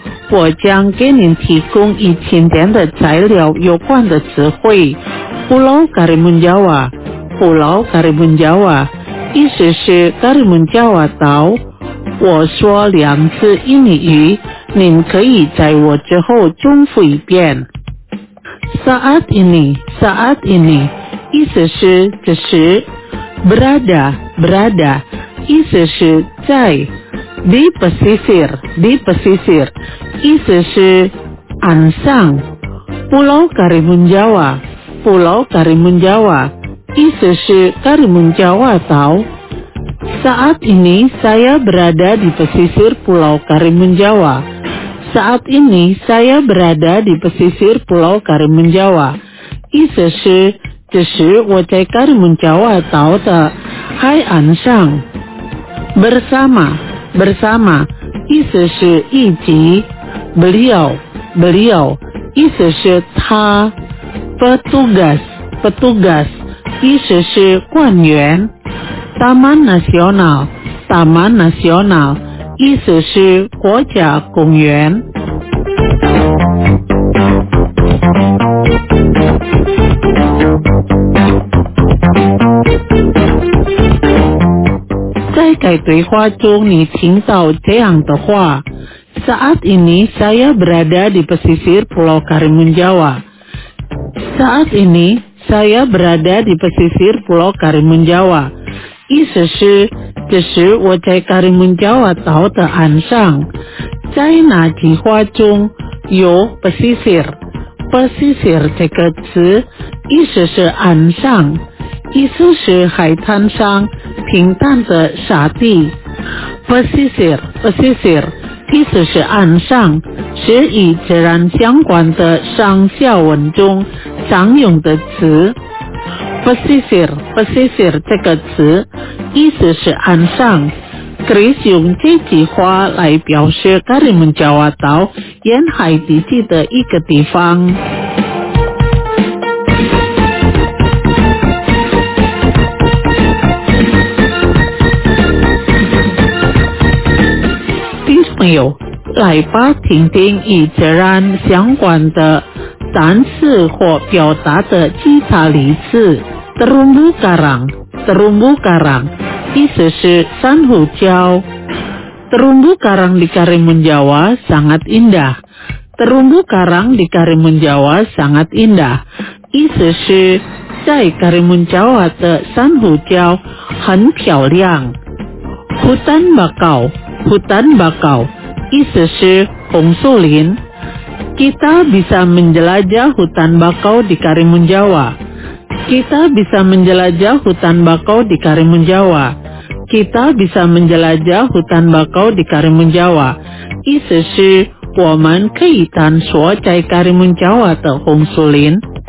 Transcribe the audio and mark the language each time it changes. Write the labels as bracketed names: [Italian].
[Chinese] 我将给您提供一千点的材料有关的词汇。布劳卡里门加瓦，布劳卡里门加瓦，意思是卡里门加瓦岛。我说两次印尼语，您可以在我之后重复一遍。 [Indonesian] Saat ini, saat ini， [Chinese] 意思是此时。 Berada, berada， 意思是在。 [Indonesian] Di pesisir, di pesisir。 [Chinese] 意思是岸上。 [Indonesian] Pulau Karimun Jawa, Pulau Karimun Jawa, [Chinese] 意思是 Karimun Jawa 岛。 [Indonesian] Saat ini saya berada di pesisir Pulau Karimun Jawa. Saat ini saya berada di pesisir Pulau Karimun Jawa. [Chinese] 意思是此时我在 Karimun Jawa 岛的海岸上。 Bersama, bersama, 意思是一起。 Beliau, beliau, 意思是他。 Petugas, petugas, 意思是官员。 Taman Nasional, Taman Nasional, 意思是国家公园。在改对话中，你听到这样的话。 [Indonesian] Saat ini saya berada di pesisir Pulau Karimun Jawa. Saat ini saya berada di pesisir Pulau Karimun Jawa. [Chinese] 意思是此时我在 Karimun Jawa 岛的岸上。在哪句话中有 pesisir? Pesisir 这个词意思是岸上，意思是海滩上平坦的沙地。 [Indonesian] Pesisir, pesisir. [Chinese] 意思是岸上，是与自然相关的上下文中常用的词。 Pesisir, pesisir 这个词意思是岸上。 Chris 用这句话来表示卡里门加瓦岛沿海地区的一个地方。朋友，来吧，听听与自然相关的单词或表达的其他例子。 [Indonesian] Terumbu karang, terumbu karang, [Chinese] 意思是珊瑚礁。 [Indonesian] Terumbu karang di Karimun Jawa sangat indah. Terumbu karang di Karimun Jawa sangat indah. [Chinese] 意思是在 Karimun Jawa 的珊瑚礁很漂亮。 [Indonesian] Hutan bakau, hutan bakau. [Chinese] 意思是红树林。 [Indonesian] Kita bisa menjelajah hutan bakau di Karimun Jawa. Kita bisa menjelajah hutan bakau di Karimun Jawa. Kita bisa menjelajah hutan bakau di Karimun Jawa. [Chinese] 意思是我们可以探索在 Karimun Jawa 的红树林。